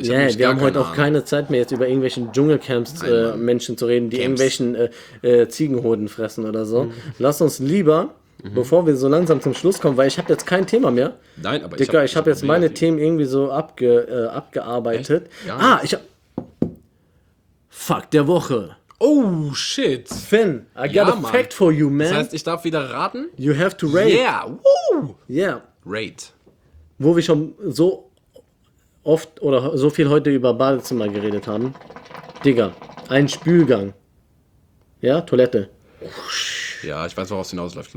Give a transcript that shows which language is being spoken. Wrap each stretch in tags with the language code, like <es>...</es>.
<de>Ja, ich hab wir haben heute auch keine Zeit mehr, jetzt über irgendwelchen Dschungelcamps Menschen zu reden, die irgendwelchen Ziegenhoden fressen oder so. Mhm. Lass uns lieber... Bevor wir so langsam zum Schluss kommen, weil ich habe jetzt kein Thema mehr. Nein, aber Dicker, ich hab jetzt meine Themen irgendwie so abgearbeitet. Ja. Ah, ich hab...</de> <en>Fuck</en> <de>der Woche.</de> <en>Oh, shit. Finn, I got a fact for you, man.</en> <de>Das heißt, ich darf wieder raten?</de> <en>You have to rate. Yeah, woo. Yeah.</en> <de>Rate. Wo wir schon so oft oder so viel heute über Badezimmer geredet haben. Digger, ein Spülgang. Ja, Toilette. Ja, ich weiß, worauf es hinausläuft.</de>